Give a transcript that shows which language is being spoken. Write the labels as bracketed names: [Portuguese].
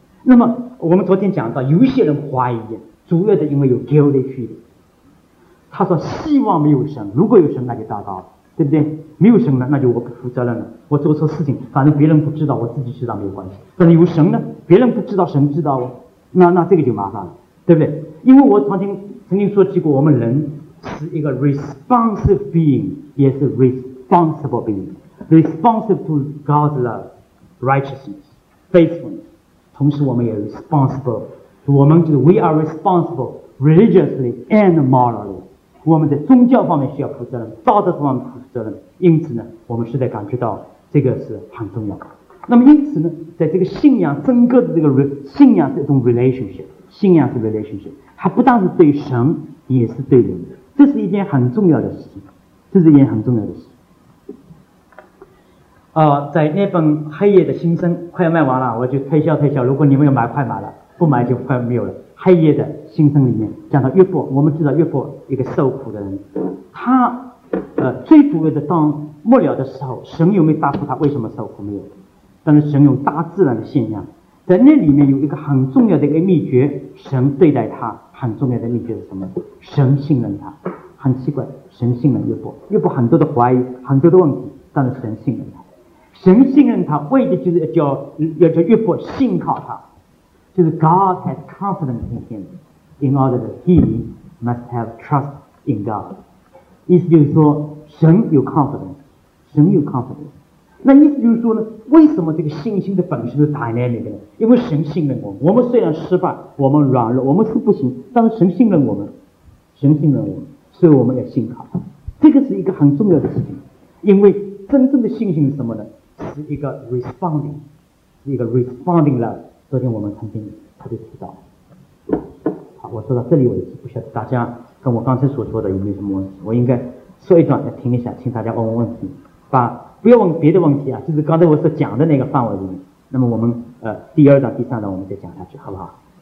[Chinese] 那么我们昨天讲到，有一些人怀疑，主要的因为有 guilty feeling， 他说希望没有神，如果有神那就糟糕了，对不对？没有神呢，那就我不负责任了，我做错事情反正别人不知道，我自己知道没有关系，但是有神呢，别人不知道神知道，那这个就麻烦了，对不对？因为我曾经说起过，我们人是一个 responsive being，也是 [English] responsible being, responsive to God's love, righteousness, faithfulness. [Chinese] 同时我们也 [English] responsible, [Chinese] 我们就是 [English] we are responsible religiously and morally. [Chinese] 我们在宗教方面需要负责任，道德方面负责任，因此呢，我们实在感觉到这个是很重要的。那么因此呢，在这个信仰整个的这个信仰是一种 relationship, 信仰是 relationship, 它不但是对神也是对人的，这是一件很重要的事情，这是一件很重要的事情。在那本黑夜的新生快要卖完了，我就推销推销，如果你们有买快买了，不买就快没有了。黑夜的新生里面讲到约伯，我们知道约伯一个受苦的人，他最主要的当末了的时候，神有没有答复他为什么受苦？没有，但是神用大自然的现象，在那里面有一个很重要的一个秘诀，神对待他很重要的秘诀是什么？神信任他。很奇怪，神信任约伯，约伯很多的怀疑，很多的问题，但是神信任他。神信任他为的就是要叫约伯信靠他，就是 [English] God has confidence in him in order that he must have trust in God. [Chinese] 意思就是说神有 confidence, 神有 confidence。那意思就是说呢，为什么这个信心的本质是 dynamic 的呢？因为神信任我们，我们虽然失败，我们软弱，我们是不行，但是神信任我们，神信任我们，所以我们要信靠。这个是一个很重要的事情，因为真正的信心是什么呢？是一个 responding, 一个 responding love。昨天我们曾经特别提到，好，我说到这里为止，不晓得大家跟我刚才所说的有没有什么问题？我应该说一段，再听一下，请大家问问问题，把。不要问别的问题啊，就是刚才我所讲的那个范围里面。那么我们第二段、第三段我们再讲下去，好不好？